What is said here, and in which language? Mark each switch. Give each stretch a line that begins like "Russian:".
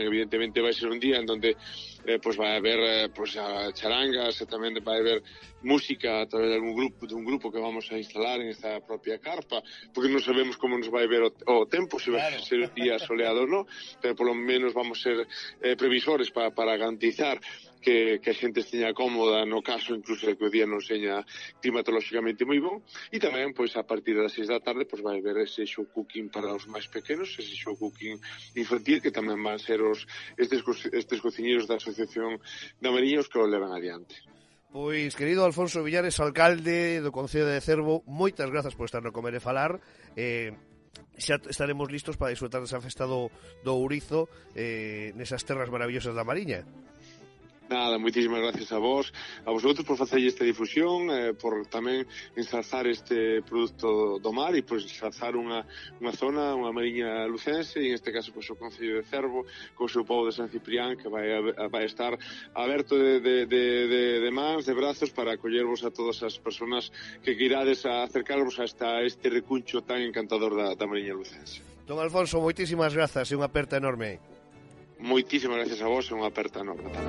Spanish: Evidentemente va a ser un día en donde pues va a haber pues a charangas, también va a haber música a través de un grupo que vamos a instalar en esta propia carpa, porque no sabemos cómo nos va a ver o tempo, si va a ser un día soleado o no, pero por lo menos vamos a ser previsores para garantizar
Galician: que a xente esteña cómoda, no caso incluso que o día non seña climatológicamente moi bon. E tamén, pois, a partir das 6 da tarde, pois vai haber ese show cooking para os máis pequenos, ese show cooking infantil, que tamén van ser estes cociñeros da Asociación da Mariña os que o levan adiante. Pois, querido Alfonso Villares, alcalde do Concello de Cervo, moitas grazas por estar no Comer e Falar. Xa estaremos listos para disfrutar desa festa do Ourizo nesas terras maravillosas da Mariña.
Spanish: Nada, muchísimas gracias a vosotros por hacer esta difusión, por también ensalzar este producto do mar y pues ensalzar una zona, una mariña lucense, y en este caso pues o Concello de Cervo, con su povo de San Ciprián,
Galician: que vai estar aberto de mans, de brazos, para acollervos a todas as personas que queirades a acercarvos hasta este recuncho tan encantador da mariña lucense.
Spanish: Don Alfonso, muchísimas gracias y una aperta enorme.
Galician: Moitísimas gracias a vos, é unha aperta enorme.